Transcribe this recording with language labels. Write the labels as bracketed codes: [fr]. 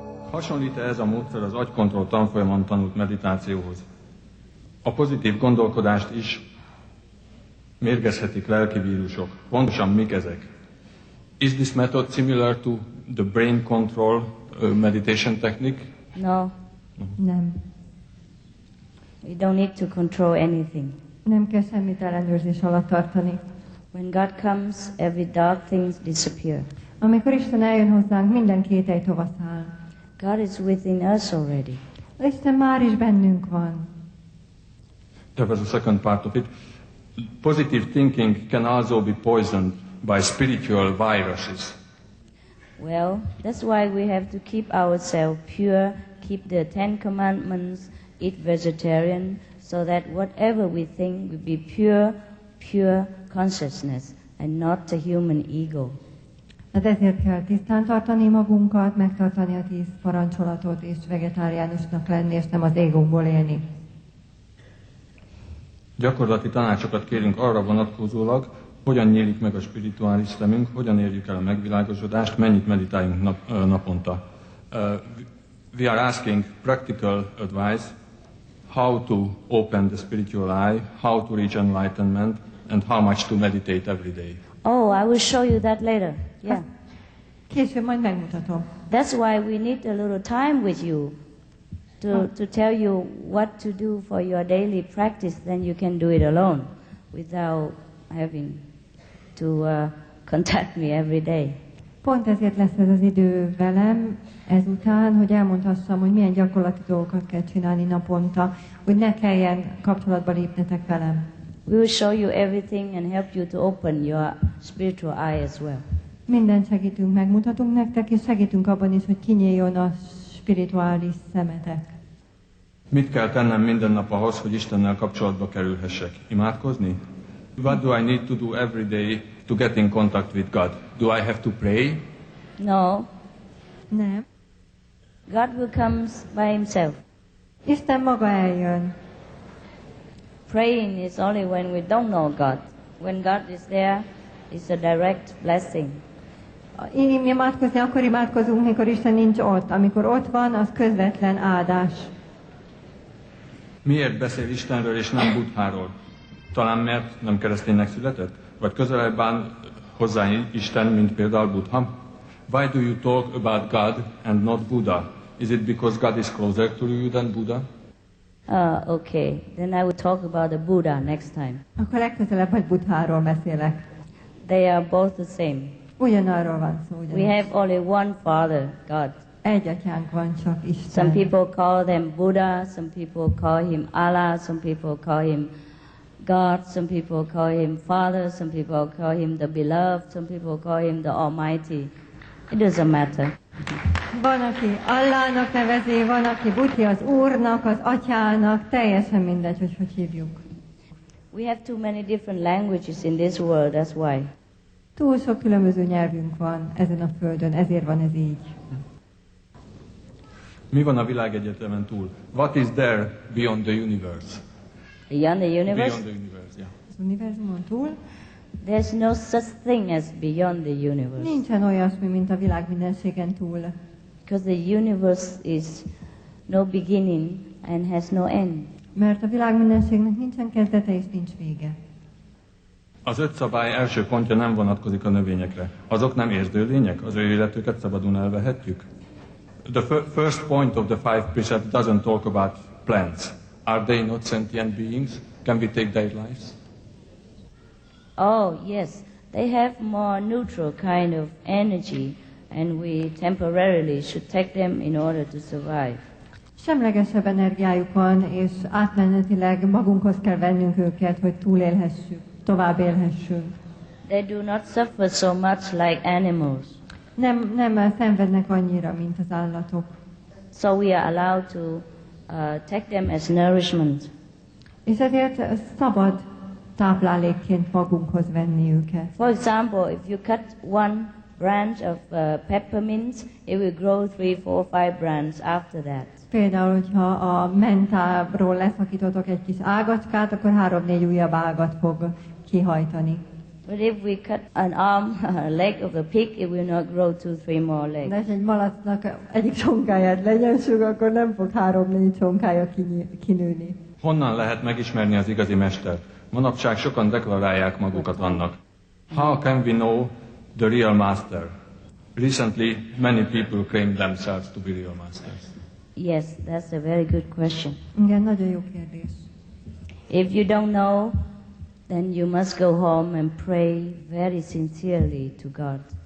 [hu] Hasonlít-e ez a módszer az agykontroll tanfolyamon tanult meditációhoz? A pozitív gondolkodást is mérgezhetik lelki vírusok. Pontosan mik ezek? [en] Is this method similar to the brain control meditation technique? No. [hu] Nem. [en] You don't need to control anything. [hu] Nem kell semmit ellenőrzés alatt tartani. [en] When God comes, every dark thing disappears. [hu] Amikor Isten eljön hozzánk, minden kétely hova száll. [en] God is within us already. [hu] Isten már is bennünk van. [en] There was a second part of it. Positive thinking can also be poisoned by spiritual viruses. Well, that's why we have to keep ourselves pure, keep the Ten Commandments, eat vegetarian, so that whatever we think will be pure, pure consciousness and not a human ego. [hu] Hát ezért kell tisztán tartani magunkat, megtartani a 10 parancsolatot, és vegetáriánusnak lenni, és nem az égunkból élni. Gyakorlati tanácsokat kérünk arra vonatkozólag, hogyan nyílik meg a spirituális szemünk, hogyan érjük el a megvilágosodást, mennyit meditáljunk naponta. [en] We are asking practical advice, how to open the spiritual eye, how to reach enlightenment, and how much to meditate every day. Oh, I will show you that later. Yeah. [hu] Később majd megmutatom. [en] That's why we need a little time with you to tell you what to do for your daily practice, then you can do it alone without having to contact me every day. [hu] Pont ezért lesz ez az idő velem ezután, hogy elmondhassam, hogy milyen gyakorlati dolgokat kell csinálni naponta, hogy ne kelljen kapcsolatba lépnetek velem. [en] We will show you everything and help you to open your spiritual eye as well. [hu] Minden segítünk, megmutatunk nektek, és segítünk abban is, hogy kinyíljon a spirituális szemetek. Mit kell tennem minden nap ahhoz, hogy Istennel kapcsolatba kerülhessek? Imádkozni? [en] What do I need to do every day to get in contact with God? Do I have to pray? No. [hu] Nem. [en] God will come by himself. [hu] Isten maga eljön. [en] Praying is only when we don't know God. When God is there, it's a direct blessing. [hu] Imádkozni, akkor imádkozunk, mikor Isten nincs ott. Amikor ott van, az közvetlen áldás. Miért beszél Istenről és nem Buddháról? Talán mert nem kereszténynek született? Vagy közelebb áll hozzá Isten, mint például Buddha? [en] Why do you talk about God and not Buddha? Is it because God is closer to you than Buddha? Okay, then I will talk about the Buddha next time. [hu] Akkor legközelebb vagy Buddháról beszélek. [en] They are both the same. [hu] Ugyanarról van szó, ugyanis. [en] We have only one Father, God. [hu] Egy atyánk van csak, Isten. [en] Some people call them Buddha, some people call him Allah, some people call him God, some people call him Father, some people call him the Beloved, some people call him the Almighty. It doesn't matter. [hu] Van, aki Allahnak nevezi, van, aki Buddha az Úrnak, az Atyának, teljesen mindegy, hogy hogy hívjuk. [en] We have too many different languages in this world, that's why. [hu] Túl sok különböző nyelvünk van ezen a földön, ezért van ez így. Mi van a világegyetemen túl? [en] What is there beyond the universe? Beyond the universe? Beyond the universe, yeah. [hu] Az univerzumon túl? [en] There's no such thing as beyond the universe. [hu] Nincsen olyasmi, mint a világ mindenségen túl. [en] Because the universe is no beginning and has no end. [hu] Mert a világ mindenségnek nincsen kezdete és nincs vége. Az öt szabály első pontja nem vonatkozik a növényekre. Azok nem érző lények? Az ő életüket szabadon elvehetjük? [en] The first point of the five precepts doesn't talk about plants. Are they not sentient beings? Can we take their lives? Oh, yes. They have more neutral kind of energy and we temporarily should take them in order to survive. [hu] Semlegesebb energiájuk van, és átmenetileg magunkhoz kell vennünk őket, hogy túlélhessük, tovább élhessünk. [en] They do not suffer so much like animals. [hu] Nem szenvednek annyira, mint az állatok. [en] So we are allowed to take them as nourishment. [hu] És ezért szabad táplálékként magunkhoz venni őket. [en] For example, if you cut one branch of peppermint, it will grow 3, 4, 5 branches after that. [hu] Például, hogyha a mentáról leszakítotok egy kis ágacskát, akkor 3-4 újabb ágat fog kihajtani. [en] But if we cut an arm, a leg of a pig, it will not grow 2-3 more legs. [hu] De egy malacnak egyik csonkáját lenyelsünk, akkor nem fog 3-4 csonkája kinőni. Honnan lehet megismerni az igazi mestert? Manapság sokan deklarálják magukat annak. [en] How can we know the real master? Recently, many people claim themselves to be real masters. Yes, that's a very good question. [hu] Igen, nagyon jó kérdés. [en] If you don't know, then you must go home and pray very sincerely to God.